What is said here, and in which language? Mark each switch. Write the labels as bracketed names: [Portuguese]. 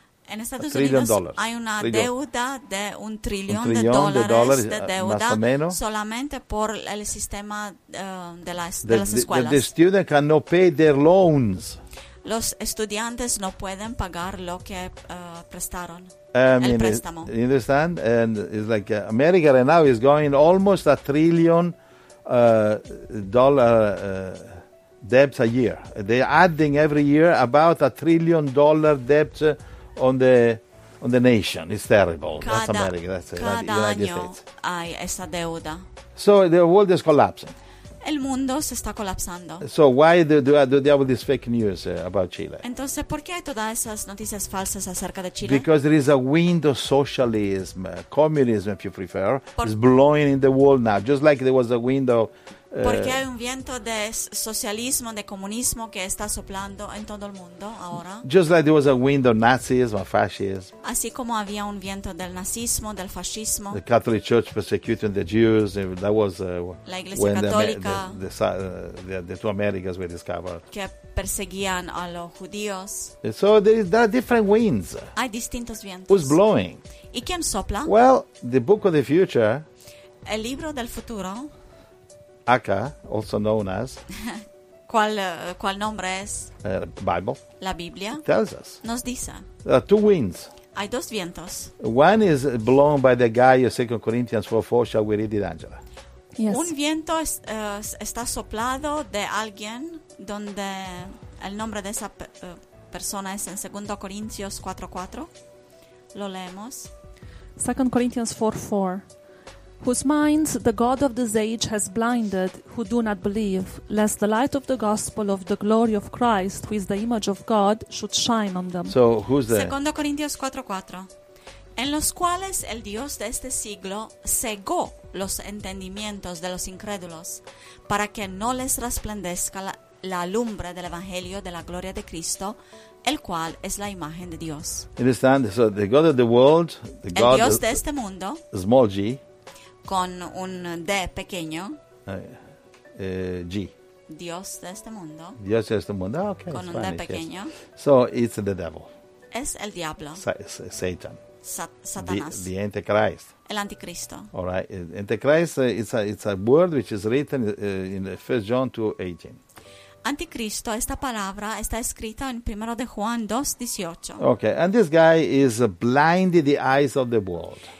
[Spanish] En Estados Unidos hay una deuda de un trillón de dólares de deuda más o menos. Solamente por el sistema de las escuelas. [English] The student cannot pay their loans. [Spanish] Los estudiantes no pueden pagar lo que prestaron. [English] You understand? And it's like America right now is going almost a trillion dollar debts a year. They're adding every year about $1 trillion debts on the nation. It's terrible. [Spanish] Cada, [English] that's America. That's [Spanish] cada [English] United [Spanish] año [English] States. [Spanish] Hay esa deuda. [English] So the world is collapsing. [Spanish] El mundo se está colapsando. [English] So why do they have all this fake news about Chile? [Spanish] Entonces, ¿por qué hay todas esas noticias falsas acerca de Chile? [English] Because there is a wind of socialism, communism, if you prefer, is blowing in the world now, just like there was a wind of [Spanish] porque hay un viento de socialismo, de comunismo que está soplando en todo el mundo ahora. [English] Just like there was a wind of Nazism or fascism. [Spanish] Así como había un viento del nazismo, del fascismo. [English] The Catholic Church persecuting the Jews. That was [Spanish] la Iglesia [English] when [Spanish] Católica, [English] the two Americas were discovered. [Spanish] Que perseguían a los judíos. [English] And so there are different winds. [Spanish] Hay distintos vientos. [English] Who's blowing? [Spanish] ¿Y quién sopla? [English] Well, the Book of the Future. [Spanish] El libro del futuro. [English] Aka, also known as [Spanish] ¿Cuál nombre es? [English] Bible. [Spanish] La Biblia. [English] It tells us. [Spanish] Nos dice. [English] Two winds. [Spanish] Hay dos vientos. [English] One is blown by the guy of 2 Corinthians 4:4, shall we read it, Angela? Yes. [Spanish] Un viento está soplado de alguien donde el nombre de esa persona es en 2 Corintios 4:4. Lo leemos. [English] 2 Corinthians 4:4. Whose minds the God of this age has blinded, who do not believe, lest the light of the gospel of the glory of Christ, who is the image of God, should shine on them. So, who's there? [Spanish] 2 Corintios 4:4. En los cuales el Dios de este siglo cegó los entendimientos de los incrédulos, para que no les resplandezca la lumbre del Evangelio de la gloria de Cristo, el cual es la imagen de Dios. [English] Understand? So, the God of the world, the God [Spanish] el Dios de este mundo, [English] small g, [Spanish] con un D pequeño. [English] G. [Spanish] Dios de este mundo. Dios de este mundo. [English] Ah, okay. [Spanish] Con [English] Spanish, [Spanish] un D pequeño. [English] Yes. So it's the devil. [Spanish] Es el diablo. [English] Satan. [Spanish] Satanás. [English] The Antichrist. [Spanish] El anticristo. [English] All right. Antichrist it's a word which is written in 1 John 2:18. [Spanish] Anticristo, esta palabra está escrita en 1 de Juan 2:18. [English] Okay. And this guy is blinded the eyes of the world.